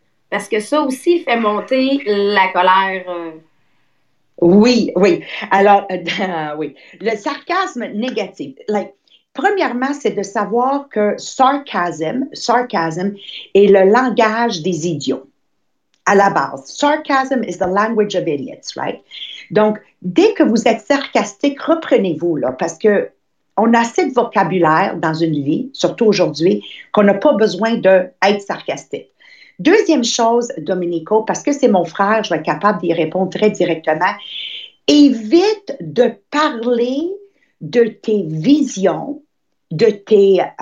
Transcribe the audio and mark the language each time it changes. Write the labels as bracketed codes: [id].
[fr] Parce que ça aussi fait monter la colère. Oui. Alors, oui. Le sarcasme négatif. Premièrement, c'est de savoir que sarcasme est le langage des idiots. À la base, [en] sarcasm is the language of idiots, right? [fr] Donc, dès que vous êtes sarcastique, reprenez-vous, là, parce que on a assez de vocabulaire dans une vie, surtout aujourd'hui, qu'on n'a pas besoin d'être sarcastique. Deuxième chose, Domenico, parce que c'est mon frère, je vais être capable d'y répondre très directement, évite de parler de tes visions, de tes